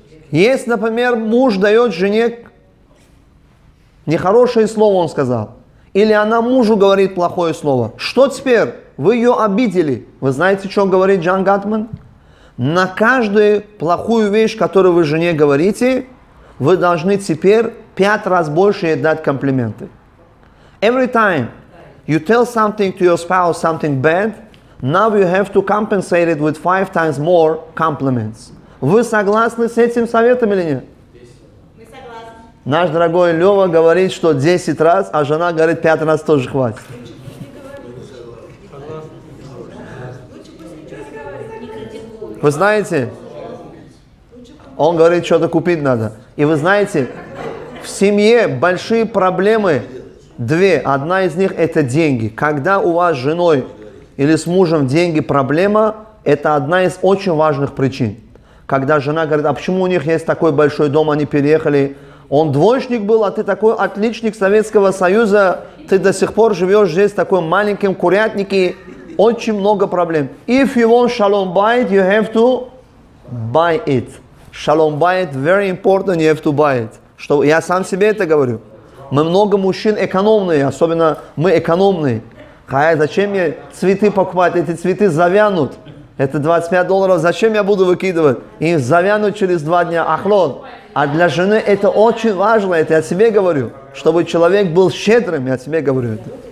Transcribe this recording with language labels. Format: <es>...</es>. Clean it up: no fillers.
<ru>Если, например, муж дает жене нехорошее слово, он сказал. Или она мужу говорит плохое слово. Что теперь? Вы ее обидели. Вы знаете, что говорит Джон Гатман? На каждую плохую вещь, которую вы жене говорите, вы должны теперь 5 раз больше ей дать комплименты.</ru> <en>Every time you tell something to your spouse, something bad, now you have to compensate it with 5 times more compliments.</en> <ru>Вы согласны с этим советом или нет? Мы согласны. Наш дорогой Лёва говорит, что 10 раз, а жена говорит, 5 раз тоже хватит. Лучше пусть ничего не говорит. Вы знаете, он говорит, что-то купить надо. И вы знаете, в семье большие проблемы две. Одна из них – это деньги. Когда у вас с женой или с мужем деньги – проблема, это одна из очень важных причин. Когда жена говорит, а почему у них есть такой большой дом, они переехали. Он двоечник был, а ты такой отличник Советского Союза, ты до сих пор живешь здесь в такой маленьком курятнике. Очень много проблем.</ru> <en>If you want shalom bayit, you have to buy it. Shalom bayit, very important, you have to buy it.</en> <ru>Что, я сам себе это говорю. Мы много мужчин экономные, особенно мы экономные. Хай, зачем мне цветы покупать, эти цветы завянут. Это $25, зачем я буду выкидывать? И завяну через 2 дня. Ахлон. А для жены это очень важно, это я тебе говорю. Чтобы человек был щедрым, я тебе говорю это.</ru>